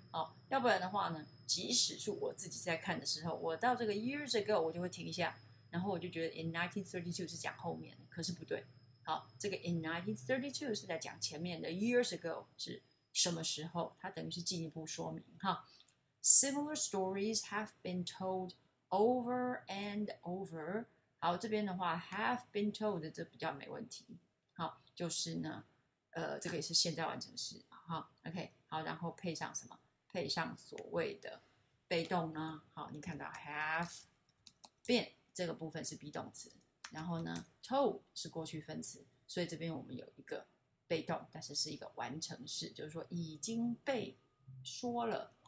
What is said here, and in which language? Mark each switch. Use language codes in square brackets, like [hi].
[zh] 好，要不然的话呢，即使是我自己在看的时候，我到这个 years ago 我就会停一下，然后我就觉得 in 1932 是讲后面的，可是不对。好，这个 in 1932 是在讲前面的， years ago 是什么时候，它等于是进一步说明哈。 [en] Similar stories have been told over and over. [zh] 好，这边的话 have been told 这比较没问题。好，就是呢，这个也是现在完成式哈。 OK， 好，然后配上什么？配上所谓的被动呢？好，你看到 have been 这个部分是 be 动词，然后呢 told 是过去分词，所以这边我们有一个被动，但是是一个完成式，就是说已经被说了。